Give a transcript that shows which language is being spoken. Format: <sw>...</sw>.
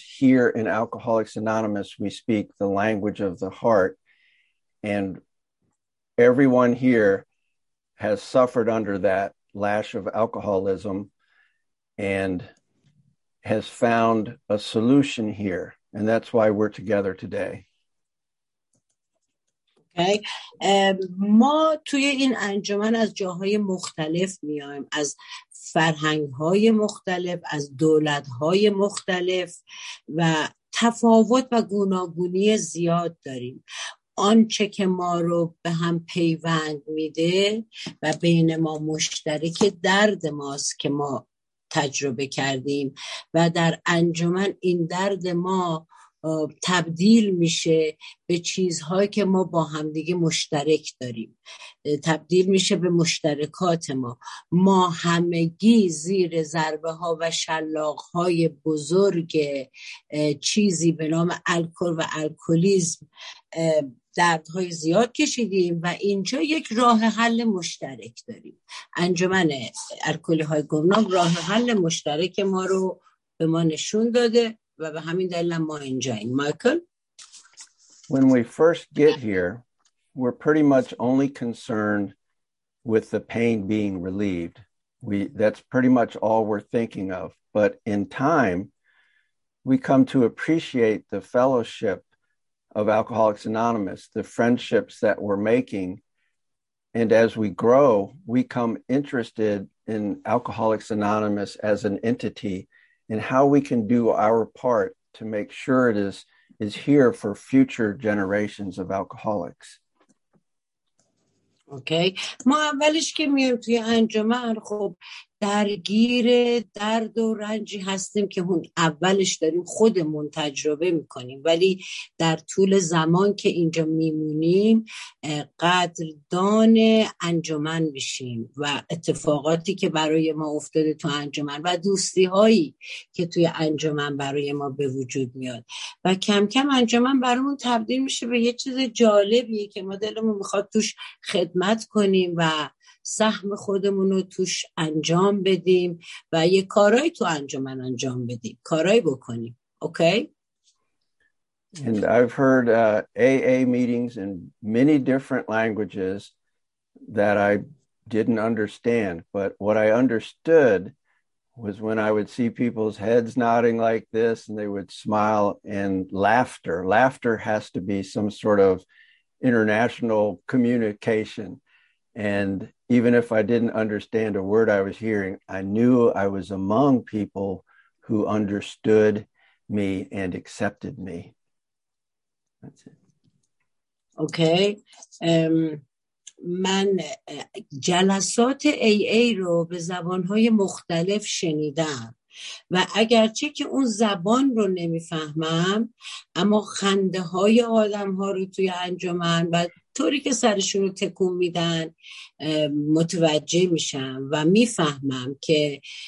<en>Here in Alcoholics Anonymous, we speak the language of the heart, and everyone here has suffered under that lash of alcoholism and has found a solution here, and that's why we're together today.</en> <fa>ما توی این انجمن از جاهای مختلف میایم، از فرهنگ‌های مختلف، از دولت‌های مختلف، و تفاوت و گوناگونی زیاد داریم. آنچه که ما رو به هم پیوند میده و بین ما مشترک، درد ماست که ما تجربه کردیم، و در انجمن این درد ما تبدیل میشه به چیزهایی که ما با همدیگه مشترک داریم، تبدیل میشه به مشترکات ما. ما همگی زیر ضربه ها و شلاق های بزرگ چیزی به نام الکل و الکلیزم دردهای زیاد کشیدیم و اینجا یک راه حل مشترک داریم. انجمن الکلی های گمنام راه حل مشترک ما رو به ما نشون داده و به همین دلیل ما اینجاییم. مایکل؟</fa> <en>When we first get here, we're pretty much only concerned with the pain being relieved. That's pretty much all we're thinking of. But in time, we come to appreciate the fellowship of Alcoholics Anonymous, the friendships that we're making. And as we grow, we come interested in Alcoholics Anonymous as an entity and how we can do our part to make sure it is here for future generations of alcoholics. Okay.</en> <fa>ما اولش که میایم توی انجمن، خب درگیر درد و رنجی هستیم که اون اولش داریم خودمون تجربه میکنیم، ولی در طول زمان که اینجا میمونیم قدردان انجمن میشیم و اتفاقاتی که برای ما افتاده تو انجمن و دوستی هایی که توی انجمن برای ما به وجود میاد، و کم کم انجمن برامون تبدیل میشه به یه چیز جالبیه که ما دلمون میخواد توش خدمت کنیم و سهم خودمون رو توش انجام بدیم و یه کارهایی تو انجمن انجام بدیم، کارهایی بکنیم. اوکی؟</fa> <en>And I've heard AA meetings in many different languages that I didn't understand, but what I understood was when I would see people's heads nodding like this and they would smile and laughter. Laughter has to be some sort of international communication. And even if I didn't understand a word I was hearing, I knew I was among people who understood me and accepted me. That's it. Okay.</en> <fa>من جلسات AA رو به زبان‌های مختلف شنیدم و اگرچه که اون زبان رو نمیفهمم، اما خنده های آدم ها رو توی انجمن و طوری که سرشون رو تکون میدن متوجه میشم و میفهمم که</fa>